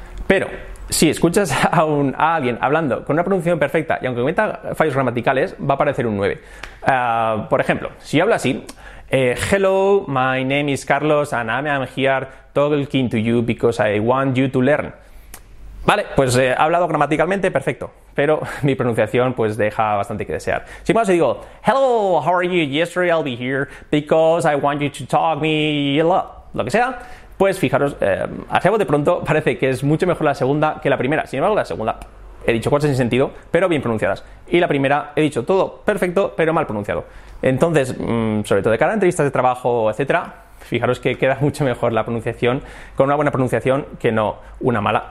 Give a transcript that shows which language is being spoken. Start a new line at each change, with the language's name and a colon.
Spanish: Pero si escuchas a alguien hablando con una pronunciación perfecta y aunque cometa fallos gramaticales, va a parecer un 9. Por ejemplo, si yo hablo así,
English: hello, my name is Carlos and I'm here talking to you because I want you to learn.
Spanish: Vale, pues he hablado gramaticalmente perfecto, pero mi pronunciación pues deja bastante que desear. Si más, digo,
English: hello, how are you? Yesterday I'll be here because I want you to talk me,
Spanish: lo que sea. Pues fijaros, acabo de pronto, parece que es mucho mejor la segunda que la primera. Sin embargo, la segunda, he dicho cosas sin sentido, pero bien pronunciadas. Y la primera, he dicho todo perfecto, pero mal pronunciado. Entonces, sobre todo de cara a entrevistas de trabajo, etcétera, fijaros que queda mucho mejor la pronunciación con una buena pronunciación que no una mala.